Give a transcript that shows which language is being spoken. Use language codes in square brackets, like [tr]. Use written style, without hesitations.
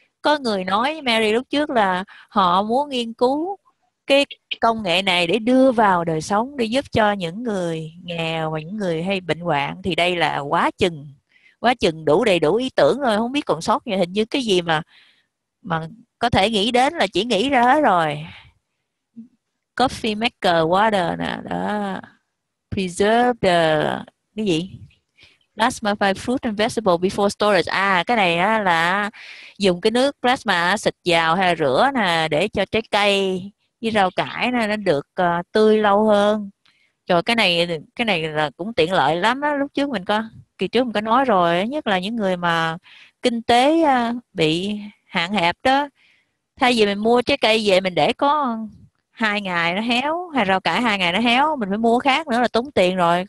[vi] Có người nói Mary lúc trước là họ muốn nghiên cứu cái công nghệ này để đưa vào đời sống, để giúp cho những người nghèo và những người hay bệnh hoạn. Thì đây là quá chừng đủ đầy đủ ý tưởng rồi, không biết còn sót gì. Hình như cái gì mà có thể nghĩ đến là chỉ nghĩ ra hết rồi. [en] Coffee maker water nè, đó. Preserve the [vi] cái gì, [en] plasmify fruit and vegetable before storage. [vi] À, cái này á, là dùng cái nước plasma xịt vào hay là rửa nè, để cho trái cây với rau cải nó được tươi lâu hơn. Rồi cái này là cũng tiện lợi lắm đó. Lúc trước mình có, kỳ trước mình có nói rồi, nhất là những người mà kinh tế bị hạn hẹp đó, thay vì mình mua trái cây về mình để có 2 ngày nó héo, hay rau cải 2 ngày nó héo, mình phải mua khác nữa là tốn tiền rồi.